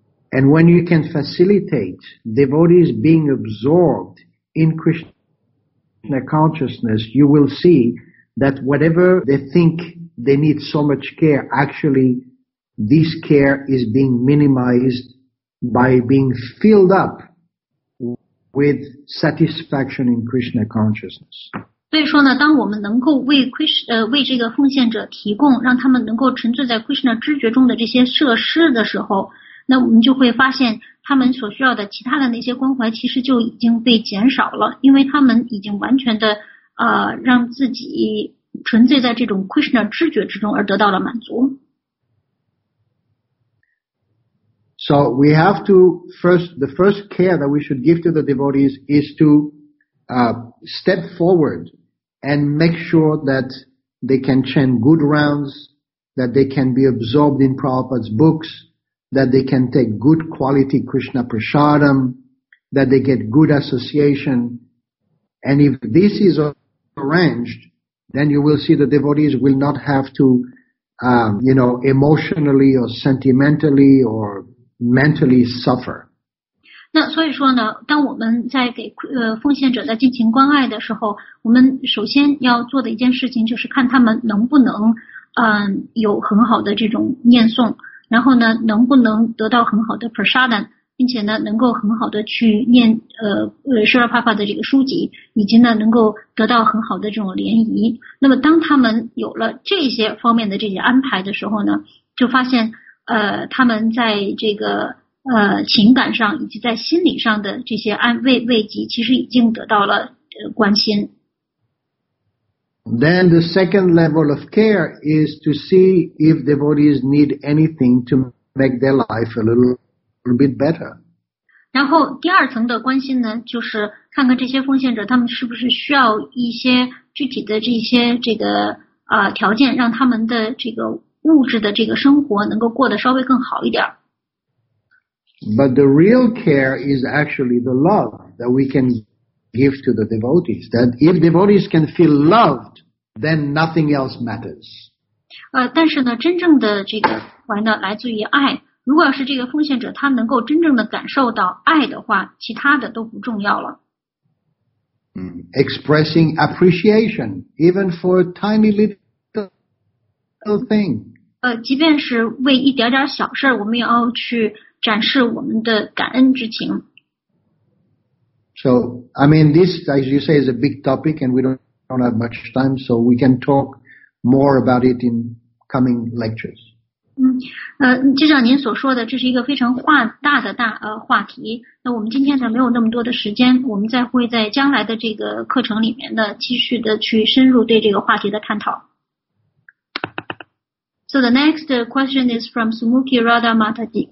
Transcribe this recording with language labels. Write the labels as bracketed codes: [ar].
[en] And when you can facilitate devotees being absorbed in Krishna consciousness, you will see that whatever they think they need so much care, actually this care is being minimized by being filled up with satisfaction in Krishna consciousness. [zh] 所以说呢，当我们能够为这个奉献者提供让他们能够沉醉在 Krishna 知觉中的这些设施的时候，那我们就会发现他们所需要的其他的那些关怀其实就已经被减少了，因为他们已经完全的让自己纯粹在这种 Krishna 知觉之中而得到了满足。 [en] So we have to the first care that we should give to the devotees is to step forward and make sure that they can chant good rounds, that they can be absorbed in Prabhupada's books, that they can take good quality Krishna prasadam, that they get good association. And if this is arranged, then you will see the devotees will not have to, emotionally or sentimentally or mentally suffer. [zh] 那所以说呢，当我们在给奉献者在进行关爱的时候，我们首先要做的一件事情就是看他们能不能有很好的这种念诵，然后呢能不能得到很好的 prasadam，并且呢能够很好的去念舍尔帕帕的这个书籍，以及呢能够得到很好的这种联谊。那么当他们有了这些方面的这些安排的时候呢，就发现他们在这个情感上以及在心理上的这些安慰慰藉其实已经得到了关心。 [en] Then the second level of care is to see if devotees need anything to make their life a littlea bit better. [zh] 然后第二层的关心呢，就是看看这些奉献者他们是不是需要一些具体的这些这个条件，让他们的这个物质的这个生活能够过得稍微更好一点。 [en] But the real care is actually the love that we can give to the devotees. That if devotees can feel loved, then nothing else matters. [zh] 但是呢，真正的这个怀呢，来自于爱。如果要是这个奉献者他能够真正的感受到爱的话，其他的都不重要了。 [en] Expressing appreciation, even for a tiny little thing. [zh] 即便是为一点点小事，我们也要去展示我们的感恩之情。 [en] So, I mean, this, as you say, is a big topic and we don't have much time, so we can talk more about it in coming lectures. [zh] 就像您所说的，这是一个非常大的话题。那我们今天呢没有那么多的时间，我们再会在将来的这个课程里面呢继续的去深入对这个话题的探讨。 [en] So the next question is from Sumuki Radha Mataji.